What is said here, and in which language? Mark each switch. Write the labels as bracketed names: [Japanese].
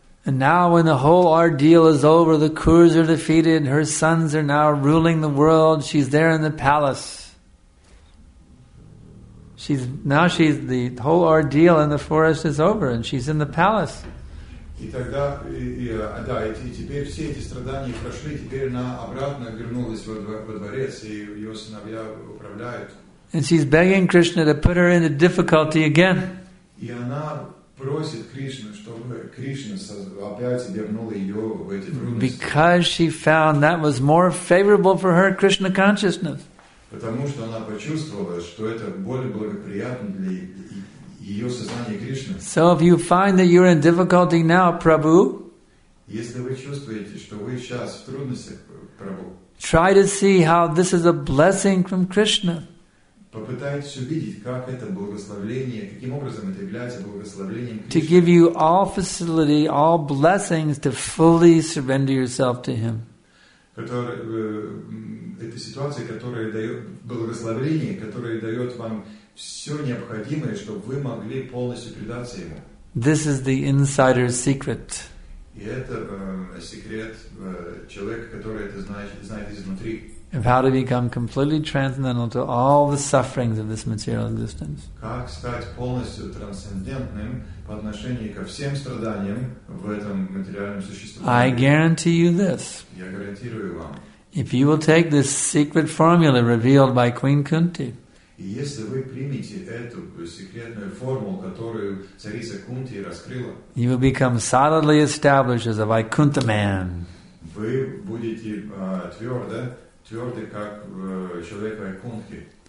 [English] And now when the whole ordeal is over, the Kurus are defeated, her sons are now ruling the world, she's there in the palace. Now she's the whole ordeal in the forest is over, and she's in the palace. [Russian] И тогда, да, и теперь все эти страдания прошли, теперь она обратно вернулась во дворец, и ее сыновья управляют. [English] And she's begging Krishna to put her into difficulty again. [Russian] И она просит Кришну, чтобы Кришна опять вернула ее в эти трудности. [English] Because she found that was more favorable for her Krishna consciousness. [Russian] Потому что она почувствовала, что это более благоприятно для ее сознания Кришны. [English] So if you find that you're in difficulty now, Prabhu, [Russian] если вы чувствуете, что вы сейчас в трудностях, Прабху, [English] try to see how this is a blessing from Krishna. [Russian] Попытайтесь увидеть, как это благословение, каким образом это является благословением Кришны. [English] To give you all facility, all blessings to fully surrender yourself to Him. [Russian] Это ситуация, которая дает благословение, которое дает вам все необходимое, чтобы вы могли полностью предаться Ему. [English] This is the insider's secret. [Russian] И это секрет человека, который это знает изнутри. [English] Of how to become completely transcendental to all the sufferings of this material existence. [Russian] Как стать полностью трансцендентным по отношению ко всем страданиям в этом материальном существовании? [English] I guarantee you this. [Russian] Я гарантирую вам. [English] If you will take this secret formula revealed by Queen Kunti, [Russian] если вы примете эту секретную формулу, которую царица Кунти раскрыла, [English] you will become solidly established as a Vaikuntha man. [Russian] Вы будете твердо, как человек Вайкунтхи.